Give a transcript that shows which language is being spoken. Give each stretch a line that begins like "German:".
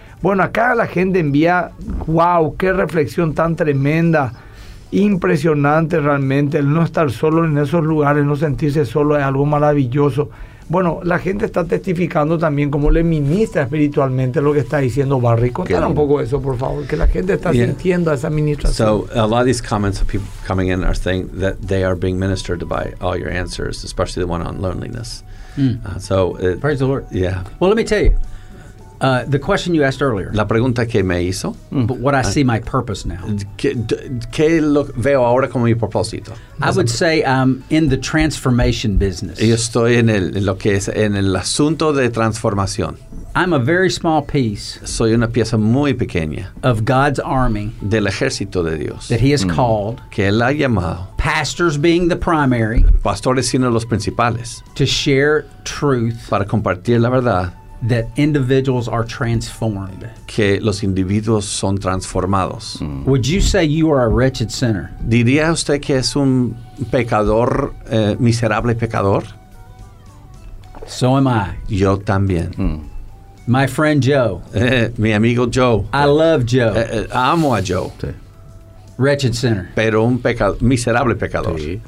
Spanish: Bueno, acá la gente envía, wow, qué reflexión tan tremenda, impresionante realmente, el no estar solo en esos lugares, no sentirse solo es algo maravilloso. Bueno, la gente está testificando también cómo le ministra espiritualmente lo que está diciendo Barry. Contar un poco eso, por favor, que la gente está sintiendo esa ministración.
English: So, a lot of these comments of people coming in are saying that they are being ministered by all your answers, especially the one on loneliness. Praise the Lord. Yeah. Well, let me tell you. The question you asked earlier.
Spanish: La pregunta que me hizo.
English: But what I see my purpose now.
Spanish: ¿Qué veo ahora como mi propósito?
English: I would say I'm in the transformation business.
Spanish: Yo estoy en el asunto de transformación.
English: I'm a very small piece.
Spanish: Soy una pieza muy pequeña.
English: Of God's army.
Spanish: Del ejército de Dios.
English: That he has called.
Spanish: Que él ha llamado.
English: Pastors being the primary.
Spanish: Pastores siendo los principales.
English: To share truth.
Spanish: Para compartir la verdad.
English: That individuals are transformed.
Spanish: Que los individuos son transformados.
English: Would you say you are a wretched sinner?
Spanish: ¿Diría usted que es un pecador, miserable pecador?
English: So am I.
Spanish: Yo también.
English: My friend Joe.
Spanish: Mi amigo Joe.
English: I love Joe.
Spanish: Amo a Joe. Sí.
English: Wretched sinner.
Spanish: Pero un miserable pecador. Sí.